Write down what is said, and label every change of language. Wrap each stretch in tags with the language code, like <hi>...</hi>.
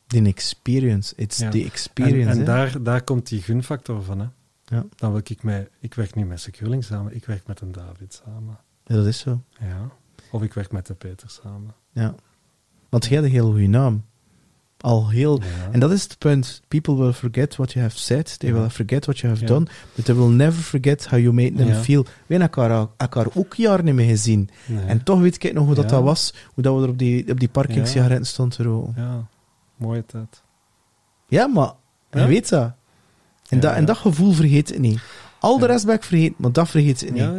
<nl>Die experience.</nl> <en>The experience.</en> <nl>En daar komt die gunfactor van. Hè. Ja. Dan wil ik mij... Ik werk niet met SecureLink samen, ik werk met een David samen. Ja, dat is zo. Ja. Of ik werk met de Peter samen. Ja. Want jij hebt een heel goede naam. Al heel... Ja. En dat is het punt.</nl> <en>People will forget what you have said. They will forget what you have done. But they will never forget how you made them feel.</en> <nl>We hebben elkaar ook jaren niet meer gezien. Nee. En toch weet ik nog hoe dat was. Hoe dat we er op die parking sigaretten stonden. Ja. Mooie tijd. Ja, maar... Je weet dat. En dat gevoel vergeet ik niet. Al de rest ben ik vergeten, maar dat vergeet ik niet.</nl>